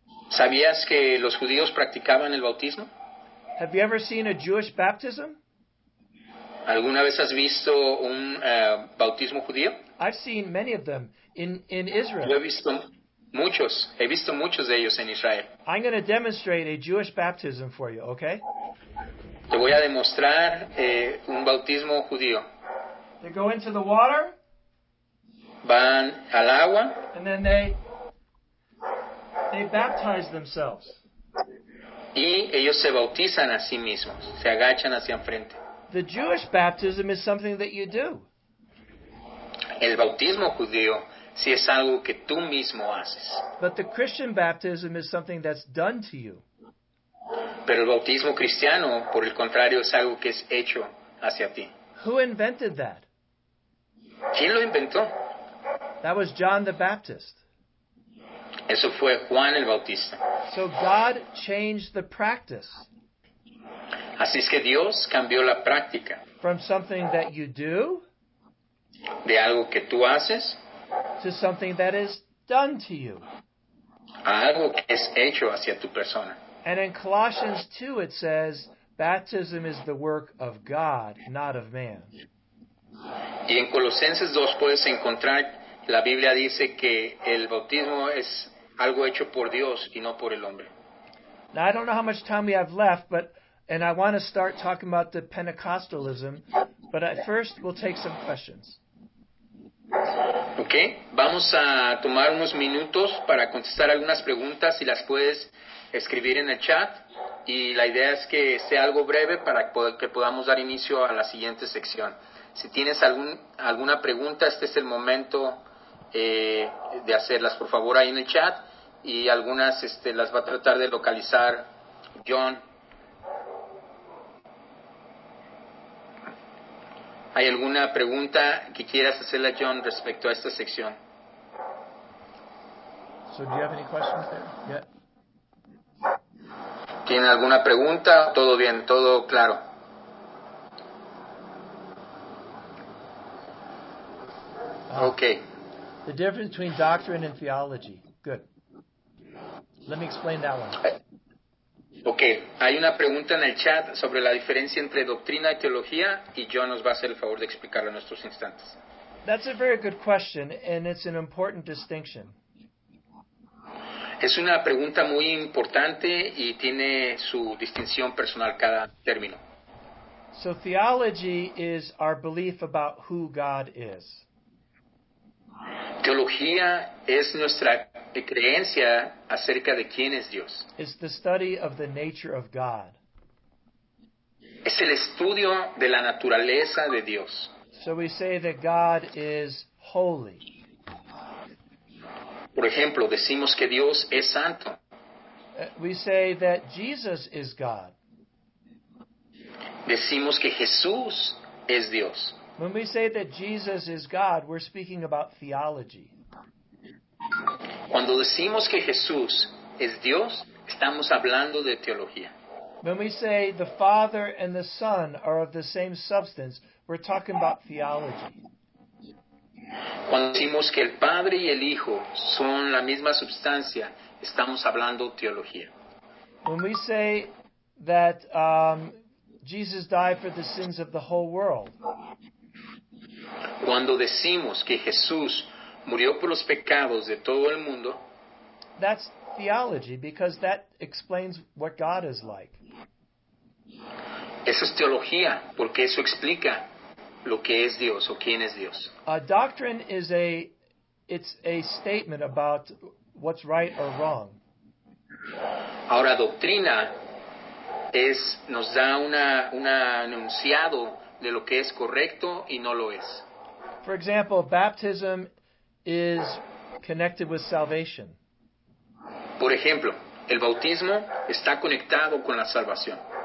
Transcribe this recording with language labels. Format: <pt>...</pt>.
<es>¿Sabías que los judíos practicaban el bautismo?</es> <en>Have you ever seen a Jewish baptism?</en> <es>¿Alguna vez has visto un bautismo judío?</es> <en>I've seen many of them in Israel.</en> <es>Yo he visto muchos de ellos en Israel.</es> <en>I'm going to demonstrate a Jewish baptism for you, okay?</en> <es>Te voy a demostrar un bautismo judío.</es> <en>They go into the water.</en> <es>Van al agua.</es> <en>And then they baptize themselves.</en> <es>Y ellos se bautizan a sí mismos. Se agachan hacia enfrente.</es> <en>The Jewish baptism is something that you do.</en> <es>El bautismo judío sí es algo que tú mismo haces.</es> <en>But the Christian baptism is something that's done to you.</en> <es>Pero el bautismo cristiano, por el contrario, es algo que es hecho hacia ti.</es> <en>Who invented that?</en> <es>¿Quién lo inventó?</es> <en>That was John the Baptist.</en> <es>Eso fue Juan el Bautista.</es> <en>So God changed the practice.</en> <es>Así es que Dios cambió la práctica.</es> <en>From something that you do.</en> <es>De algo que tú haces.</es> <en>To something that is done to you.</en> <es>A algo que es hecho hacia tu persona.</es> <en>And in Colossians 2 it says, baptism is the work of God, not of man.</en> <es>Y en Colosenses 2 puedes encontrar, la Biblia dice que el bautismo es algo hecho por Dios y no por el hombre.</es> <en>Now I don't know how much time we have left, and I want to start talking about the Pentecostalism, but at first we'll take some questions.</en> <es>Okay, vamos a tomar unos minutos para contestar algunas preguntas, si las puedes escribir en el chat, y la idea es que sea algo breve para que podamos dar inicio a la siguiente sección. Si tienes alguna pregunta, este es el momento de hacerlas, por favor, ahí en el chat, y algunas las va a tratar de localizar John. ¿Hay alguna pregunta que quieras hacerle a John respecto a esta sección?</es> <en>So, do you have any questions there? Yeah.</en> <es>¿Tiene alguna pregunta? Todo bien, todo claro.</es> <en>Okay. The difference between doctrine and theology. Good. Let me explain that one. Okay.</en> <es>Hay una pregunta en el chat sobre la diferencia entre doctrina y teología, y John nos va a hacer el favor de explicarlo en estos instantes.</es> <en>That's a very good question, and it's an important distinction.</en> <es>Es una pregunta muy importante y tiene su distinción personal cada término.</es> <en>So theology is our belief about who God is.</en> <es>Teología es nuestra creencia acerca de quién es Dios.</es> <en>It's the study of the nature of God.</en> <es>Es el estudio de la naturaleza de Dios.</es> <en>So we say that God is holy.</en> <es>Por ejemplo, decimos que Dios es santo.</es> <en>We say that Jesus is God.</en> <es>Decimos que Jesús es Dios.</es> <en>When we say that Jesus is God, we're speaking about theology.</en> <es>Cuando decimos que Jesús es Dios, estamos hablando de teología.</es> <en>When we say the Father and the Son are of the same substance, we're talking about theology.</en> <es>Cuando decimos que el Padre y el Hijo son la misma sustancia, estamos hablando teología.</es> <en>When we say that Jesus died for the sins of the whole world.</en> <es>Cuando decimos que Jesús murió por los pecados de todo el mundo.</es> <en>That's theology, because that explains what God is like.</en> <es>Esa es teología, porque eso explica lo que es Dios o quién es Dios.</es> <en>A doctrine is it's a statement about what's right or wrong.</en> <es>Ahora, doctrina es, nos da una enunciado de lo que es correcto y no lo es.</es> <en>For example, baptism is connected with salvation.</en> <es>Por ejemplo, el bautismo está conectado con la salvación.</es>